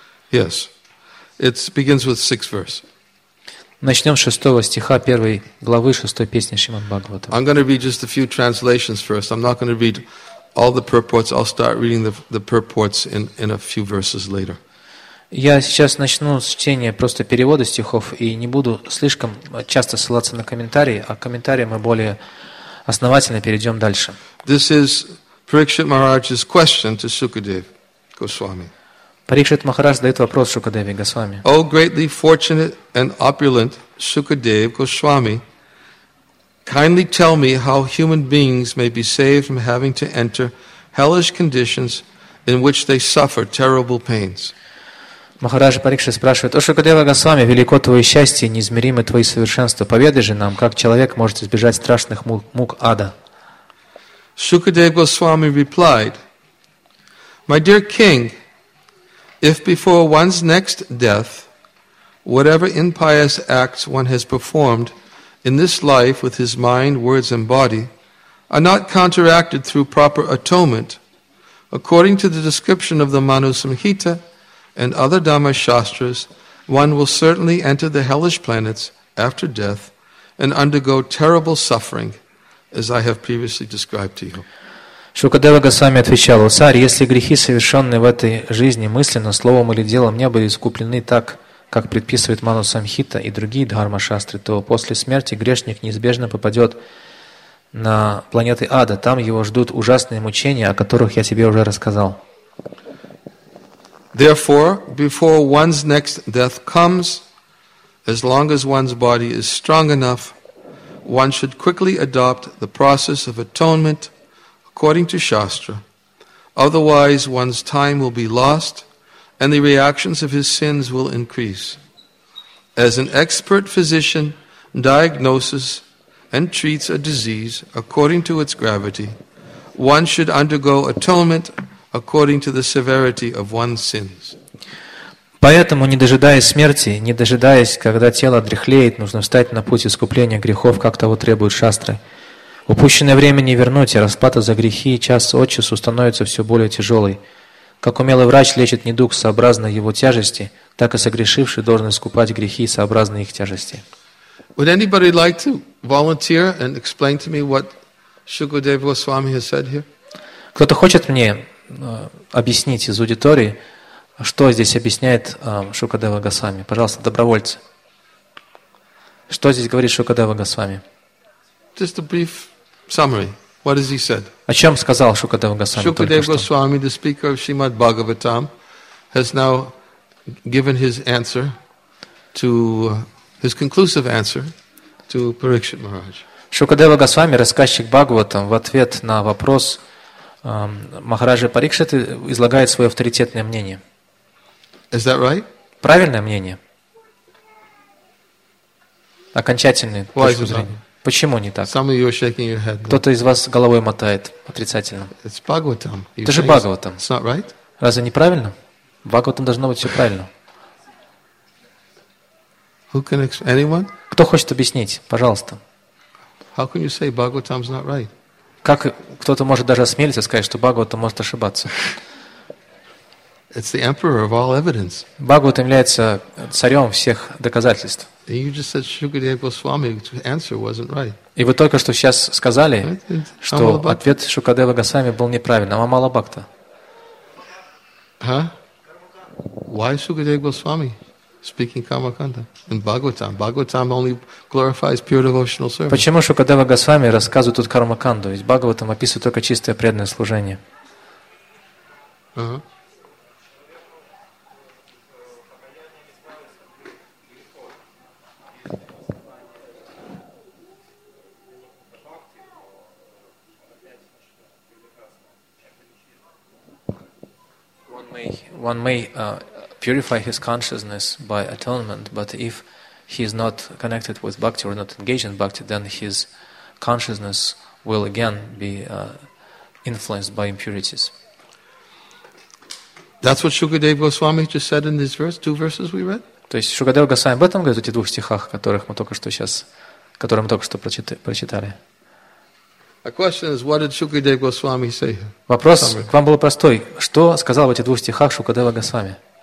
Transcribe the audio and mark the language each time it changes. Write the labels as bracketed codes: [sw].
[en] Yes, it begins with sixth verse. [ru] Начнем с шестого стиха первой главы шестой песни Шримад Бхагаватам. [en] I'm going to read just a few translations first. I'm not going to read all the purports. I'll start reading the purports in a few verses later. [ru] Я сейчас начну с чтения просто перевода стихов и не буду слишком часто ссылаться на комментарии, а комментарии мы более основательно перейдем дальше. [en] This is Parikshit Maharaj's question to Shukadev Goswami. [ru] Парикшит Махарадж задает вопрос Шукадеве Госвами. [en] O greatly fortunate and opulent Shukadev Goswami, kindly tell me how human beings may be saved from having to enter hellish conditions in which they suffer terrible pains. [ru] Махарадж Парикшит спрашивает: О Шукадева Госвами, велико твое счастье, неизмеримы твои совершенства. Поведай же нам, как человек может избежать страшных мук ада. [en] Shukadev Goswami replied, My dear king, if before one's next death, whatever impious acts one has performed in this life with his mind, words, and body are not counteracted through proper atonement, according to the description of the Manu Samhita and other Dhamma Shastras, one will certainly enter the hellish planets after death and undergo terrible suffering, as I have previously described to you. [ru] Шукадева Госвами отвечал: «О царь, если грехи, совершенные в этой жизни мысленно, словом или делом, не были искуплены так, как предписывает Ману Самхита и другие дхарма-шастры, то после смерти грешник неизбежно попадет на планеты ада. Там его ждут ужасные мучения, о которых я тебе уже рассказал». [en] Therefore, before one's next death comes, as long as one's body is strong enough, one should quickly adopt the process of atonement according to Shastra. Otherwise, one's time will be lost and the reactions of his sins will increase. As an expert physician diagnoses and treats a disease according to its gravity, one should undergo atonement according to the severity of one's sins. [ru] Поэтому, не дожидаясь смерти, не дожидаясь, когда тело дряхлеет, нужно встать на путь искупления грехов, как того требует Шастра. Упущенное время не вернуть, и расплата за грехи час от часу становится все более тяжелой. Как умелый врач лечит недуг сообразно его тяжести, так и согрешивший должен искупать грехи сообразно их тяжести. [en] Would anybody like to volunteer and explain to me what Shukadev Goswami has said here? [ru] Кто-то хочет мне объяснить из аудитории, что здесь объясняет Шукадева Госвами? Пожалуйста, добровольцы. Что здесь говорит Шукадева Госвами? [en] Just a brief summary. What has he said? [ru] О чем сказал Шукадева Госвами только что? [en] Шукадева Госвами, the speaker of Shrimad Bhagavatam, has now given his answer to his conclusive answer to Parikshit Maharaj. [ru] Шукадева Госвами, рассказчик Бхагаватам, в ответ на вопрос Махараджа Парикшиты излагает свое авторитетное мнение. [en] Is that right? [ru] Правильное мнение. Окончательное. [en] Why is it not? [ru] Почему не так? [en] Some of you are shaking your head. [ru] Кто-то из вас головой мотает отрицательно. [en] It's Bhagavatam. [ru] Это же Бхагаватам. [en] It's not right? [ru] Разве не правильно? В Бхагаватам должно быть все правильно. [en] Who can explain? Anyone? [ru] Кто хочет объяснить? Пожалуйста. [en] How can you say Bhagavatam is not right? [ru] Как кто-то может даже осмелиться сказать, что Бхагаватам может ошибаться? [en] It's the emperor of all evidence. [ru] Бхагаватам является царем всех доказательств. [en] You just said Shukadeva Goswami's answer wasn't right. [ru] И вы только что сейчас сказали, что ответ Шукадева Госвами был неправильным. Амала Бхакта. [en] Huh? Why Shukadeva Goswami speaking Kamakanda in Bhagavatam? Bhagavatam only glorifies pure devotional service. [ru] Почему Шукадева Госвами рассказывает тут Кармаканду? Ведь Бхагаватам описывает только чистое преданное служение. [en] One may purify his consciousness by atonement, but if he is not connected with bhakti or not engaged in bhakti, then his consciousness will again be influenced by impurities. That's what Shukadeva Goswami just said in these verse, two verses we read. [ru] То есть Шукадева Госвами об этом говорит в этих двух стихах, которые мы только что прочитали. [en] A question is, what did Shukadeva Goswami say? [ru] Вопрос к вам был простой. Что сказал в этих двух стихах Шукадева Госвами?